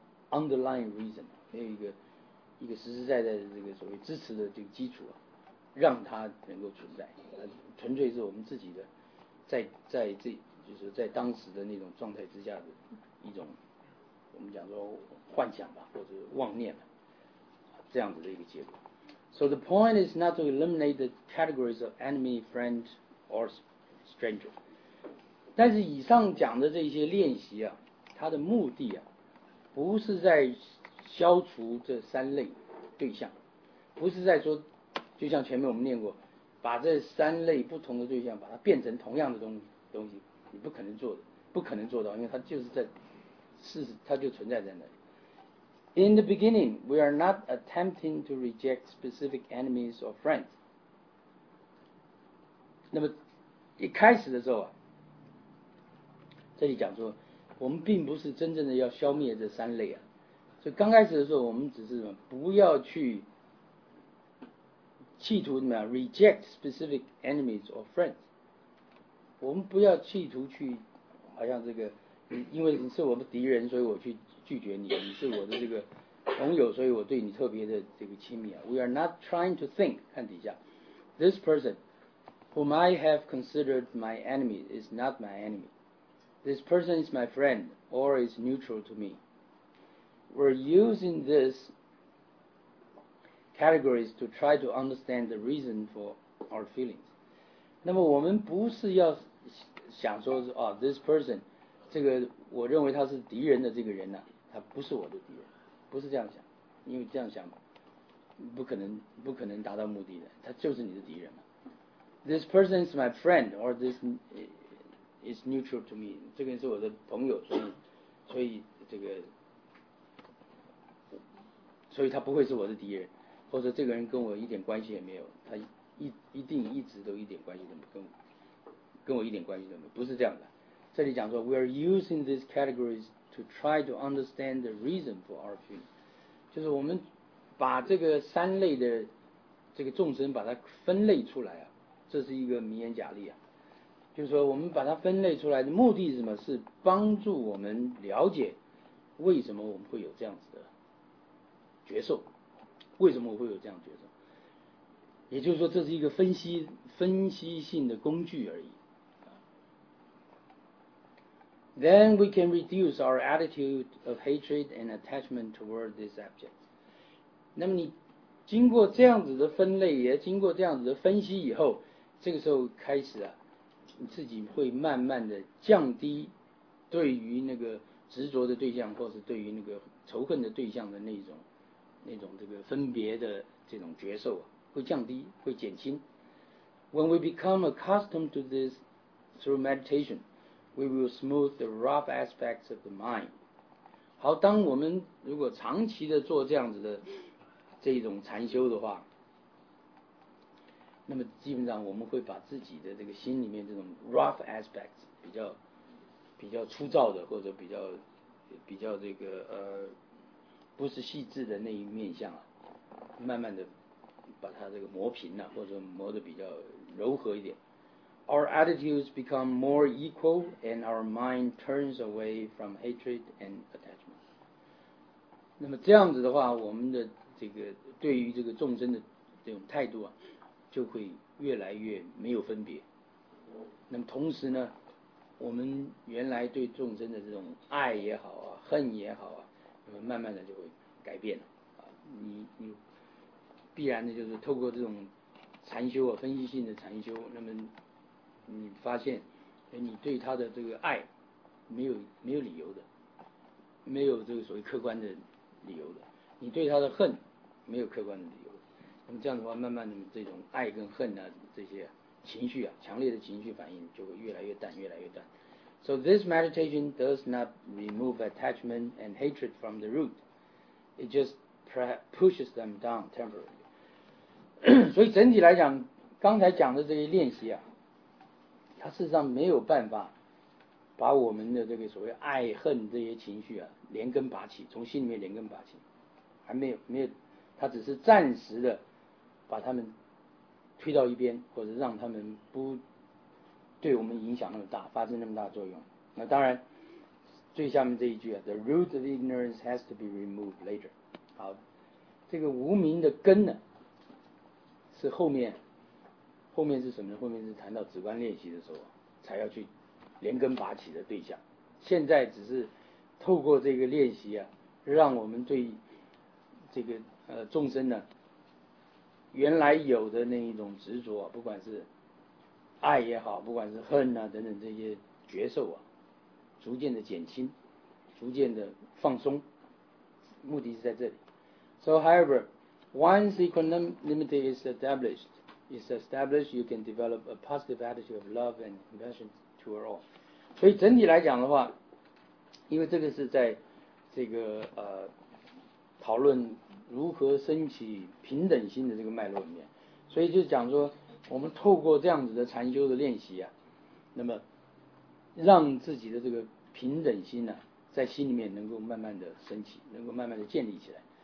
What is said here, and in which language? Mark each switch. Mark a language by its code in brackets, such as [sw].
[en] underlying reason， [zh] 没有一个实实在在的这个所谓支持的这个基础啊，让它能够存在，纯粹是我们自己的在这就是在当时的那种状态之下的一种我们讲说幻想吧，或者妄念吧，这样子的一个结果。 [en] So the point is not to eliminate the categories of enemy, friend, or stranger. [zh] 但是以上讲的这些练习啊，它的目的啊，不是在消除这三类对象，不是在说，就像前面我们念过，把这三类不同的对象把它变成同样的东西，你不可能做的，不可能做到，因为它就是在，事实它就存在在那里。 [en] In the beginning, we are not attempting to reject specific enemies or friends. [zh] 那么一开始的时候啊，这里讲说我们并不是真正的要消灭这三类啊，所以刚开始的时候我们只是不要去企图怎么样 [en] reject specific enemies or friends， [zh] 我们不要企图去好像这个因为你是我的敌人所以我去拒绝你，你是我的这个朋友所以我对你特别的这个亲密啊。 [en] We are not trying to think， [zh] 看底下， [en] This person whom I have considered my enemy is not my enemy. This person is my friend or is neutral to me. We're using this categories to try to understand the reason for our feelings. [zh] 那么我们不是要想说是、哦、 [en] This person [zh] 这个我认为他是敌人的这个人呢、啊他不是我的敌人，不是这样想，因为这样想不可能达到目的的，他就是你的敌人嘛。 [en] This person is my friend, or this is neutral to me. [zh] 这个人是我的朋友，所以这个，所以他不会是我的敌人，或者这个人跟我一点关系也没有，他一定一直都一点关系都没有，跟我一点关系都没有，不是这样的。这里讲说 ， [en] we are using these categories。To try to understand the reason for our feeling， [zh] 就是我们把这个三类的这个众生把它分类出来啊，这是一个名言假例啊，就是说我们把它分类出来的目的是什么？是帮助我们了解为什么我们会有这样子的觉受，为什么我会有这样的觉受？也就是说，这是一个分析性的工具而已。 [en] Then we can reduce our attitude of hatred and attachment toward this object. [zh] 那么你经过这样子的分类，也经过这样子的分析以后，这个时候开始啊，你自己会慢慢的降低对于那个执着的对象，或是对于那个仇恨的对象的那种这个分别的这种觉受啊，会降低，会减轻。 [en] When we become accustomed to this through meditation. We will smooth the rough aspects of the mind. [zh] 好，当我们如果长期的做这样子的这种禅修的话，那么基本上我们会把自己的这个心里面这种 [en] rough aspects [zh] 比较粗糙的或者比较这个不是细致的那一面相啊，慢慢的把它这个磨平了、啊，或者磨得比较柔和一点。 [en] Our attitudes become more equal, and our mind turns away from hatred and attachment. [zh] 那么这样子的话，我们的这个对于这个众生的这种态度啊，就会越来越没有分别。那么同时呢，我们原来对众生的这种爱也好啊，恨也好啊，那么慢慢的就会改变了。你必然的就是透过这种禅修啊，分析性的禅修，那么。你发现你对他的这个爱没有理由的，没有这个所谓客观的理由的，你对他的恨没有客观的理由的，那么这样的话慢慢的这种爱跟恨啊，这些情绪啊，强烈的情绪反应就会越来越淡越来越淡。 [en] So this meditation does not remove attachment and hatred from the root, it just pushes them down temporarily. [zh] 所以整体来讲刚才讲的这些练习啊，它事实上没有办法把我们的这个所谓爱恨这些情绪啊连根拔起，从心里面连根拔起，还没有没有，他只是暂时的把他们推到一边，或者让他们不对我们影响那么大，发生那么大作用。那当然，最下面这一句啊 [en] ，The root of ignorance has to be removed later。 [zh] 好，这个无明的根呢，是后面是什么呢？后面是谈到止观练习的时候才要去连根拔起的对象。现在只是透过这个练习啊，让我们对这个众生呢，原来有的那一种执着、啊，不管是爱也好，不管是恨啊等等这些觉受啊，逐渐的减轻，逐渐的放松，目的是在这里。 [en] So however, once equanimity is established, you can develop a positive attitude of love and compassion toward all. [zh] 所以整体来讲的话，因为这个是在这个讨论如何升起平等心的这个脉络里面，所以就讲说，我们透过这样子的禅修的练习啊，那么让自己的这个平等心呢、啊，在心里面能够慢慢的升起，能够慢慢的建立起来。